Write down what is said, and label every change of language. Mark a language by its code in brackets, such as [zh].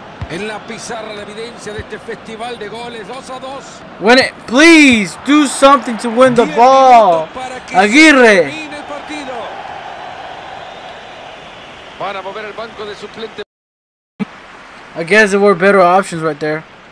[es] En la pizarra la evidencia de este festival de goles 2 a 2. [en] Win it. Please do something to win the ball. [es] Aguirre. Para mover el banco de suplente. [en] I guess there were better options right there.